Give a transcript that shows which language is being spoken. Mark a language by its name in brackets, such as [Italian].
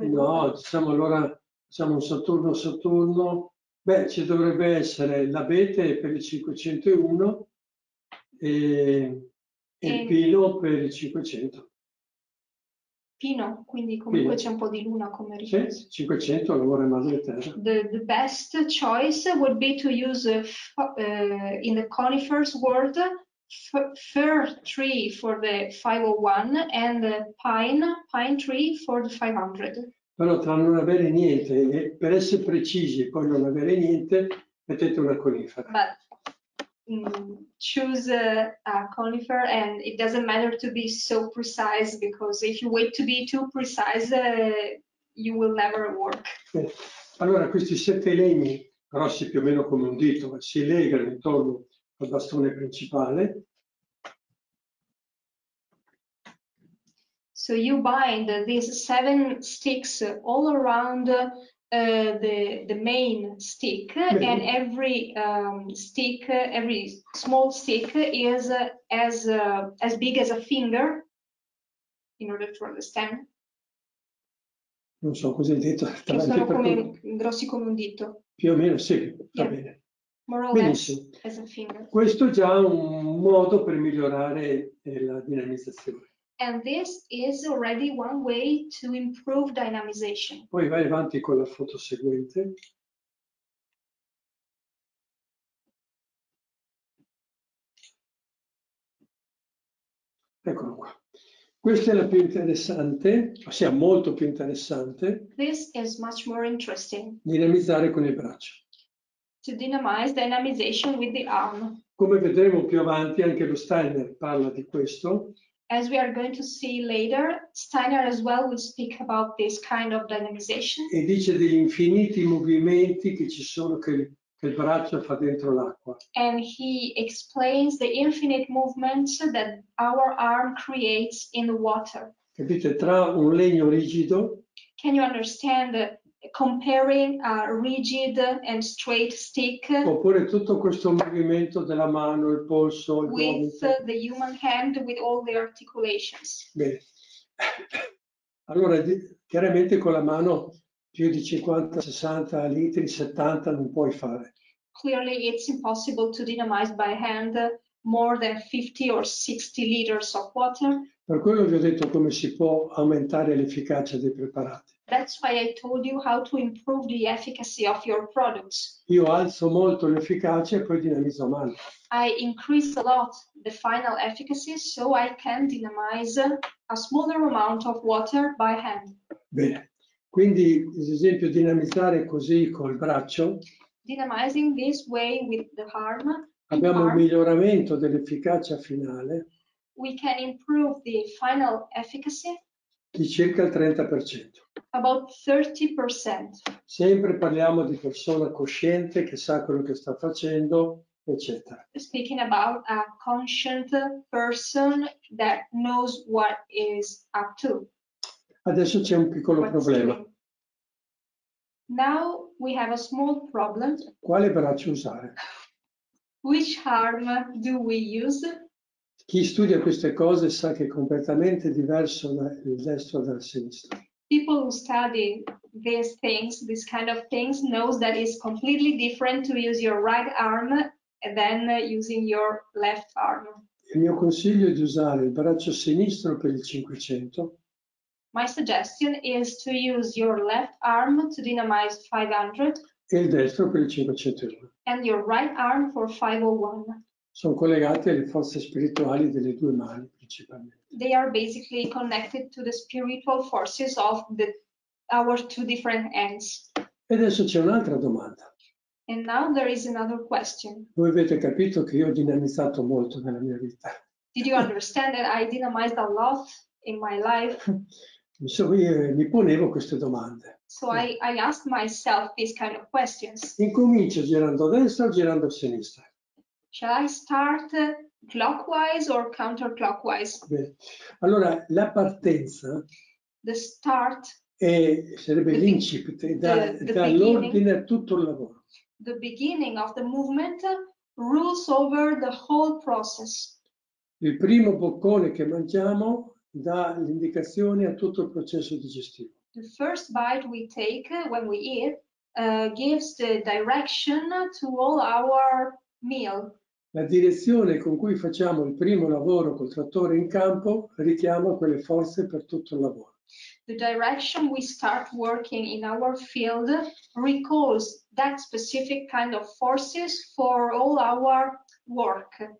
[Italian] enorme. No, diciamo allora, diciamo Saturno. Beh, ci dovrebbe essere l'abete per il 501 e il pino per il 500. Pino, quindi comunque pino. C'è un po' di luna come risposta. Sì, 500, allora madre terra. [English] The best choice would be to use in the conifers world fir tree for the 501 and pine tree for the 500. [Italian] Però tra non avere niente e per essere precisi e poi non avere niente, mettete una conifera. [English] But choose a conifer and it doesn't matter to be so precise because if you wait to be too precise, you will never work. [Italian] Allora, questi sette legni, grossi più o meno come un dito, si legano intorno al bastone principale. [English] So you bind these seven sticks all around the main stick, and every stick, every small stick is as big as a finger in order to understand. [Italian] Non so cosa hai detto. Che sono come grossi come un dito. Più o meno, sì, va bene. [English] More or less as a finger. [Italian] Questo è già un modo per migliorare la dinamizzazione. [English] And this is already one way to improve dynamization. [Italian] Poi vai avanti con la foto seguente. Eccolo qua. Questa è la più interessante, ossia molto più interessante. [English] This is much more interesting. [Italian] Dinamizzare con il braccio. [English] To dynamize dynamization with the arm. [Italian] Come vedremo più avanti, anche lo Steiner parla di questo. [English] As we are going to see later, Steiner as well will speak about this kind of dynamization. [Italian] E dice degli infiniti movimenti che ci sono che il braccio fa dentro l'acqua. [English] And he explains the infinite movements that our arm creates in the water. [Italian] Capite, tra un legno rigido. [English] Can you understand comparing a rigid and straight stick? [Italian] Oppure tutto questo movimento della mano, il polso, il [English] with [Italian] gomito. [English] The human hand with all the articulations. [Italian] Bene. Allora, chiaramente con la mano più di 50, 60 litri, 70 non puoi fare. [English] Clearly it's impossible to dynamize by hand more than 50 or 60 liters of water. [Italian] Per quello vi ho detto come si può aumentare l'efficacia dei preparati. [English] That's why I told you how to improve the efficacy of your products. [Italian] Io alzo molto l'efficacia e poi dinamizzo male. [English] I increase a lot the final efficacy so I can dynamize a smaller amount of water by hand. [Italian] Bene. Quindi, ad esempio, dinamizzare così col braccio. [English] Dynamizing this way with the arm. [Italian] Abbiamo un miglioramento dell'efficacia finale. [English] We can improve the final efficacy. [Italian] Di circa il 30%. [English] About 30%. [Italian] Sempre parliamo di persona cosciente che sa quello che sta facendo, eccetera. [English] Speaking about a conscient person that knows what is up to. [Italian] Adesso c'è un piccolo [English] What's [Italian] problema. [English] Doing? Now we have a small problem. [Italian] Quale braccio usare? [English] Which arm do we use? [Italian] Chi studia queste cose sa che è completamente diverso dal destro dal sinistro. [English] People who study these things, this kind of things, knows that it's completely different to use your right arm than using your left arm. [Italian] Il mio consiglio è di usare il braccio sinistro per il 500. [English] My suggestion is to use your left arm to dynamize 500. [Italian] E il destro per il 501. [English] And your right arm for 501. [Italian] Sono collegate alle forze spirituali delle due mani, principalmente. [English] They are basically connected to the spiritual forces of our two different hands. [Italian] E adesso c'è un'altra domanda. [English] And now there is another question. [Italian] Voi avete capito che io ho dinamizzato molto nella mia vita. [English] Did you understand that I dynamized a lot in my life? [Italian] So io mi ponevo queste domande. [English] So I asked myself these kind of questions. [Italian] Incomincio girando a destra o girando a sinistra? [English] Shall I start clockwise or counterclockwise? [Italian] Beh, allora, la partenza [English] the start [Italian] è, sarebbe l'incipit, dà l'ordine a tutto il lavoro. [English] The beginning of the movement rules over the whole process. [Italian] Il primo boccone che mangiamo dà l'indicazione a tutto il processo digestivo. [English] The first bite we take when we eat gives the direction to all our meal. [Italian] La direzione con cui facciamo il primo lavoro col trattore in campo richiama quelle forze per tutto il lavoro. [English] The direction we start working in our field recalls that specific kind of forces for all our work.